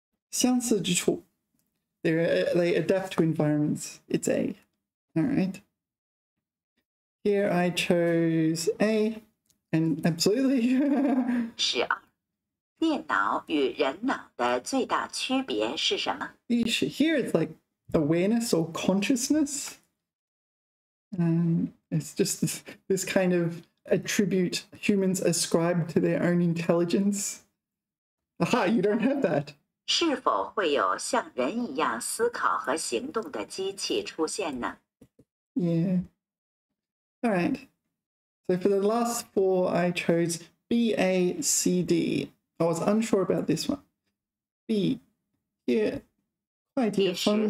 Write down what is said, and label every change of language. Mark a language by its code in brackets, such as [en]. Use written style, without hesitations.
[zh] 相似之处。 [en] They adapt to environments. It's A. All right. Here I chose A. And absolutely. [zh] 十二，电脑与人脑的最大区别是什么？ [en] Here it's like awareness or consciousness. It's just this kind of attribute humans ascribe to their own intelligence. Aha, you don't have that. [zh] 是否会有像人一样思考和行动的机器出现呢？ [en] Yeah. All right. So for the last four, I chose B, A, C, D. I was unsure about this one. B. Yeah. [zh] 快点方便。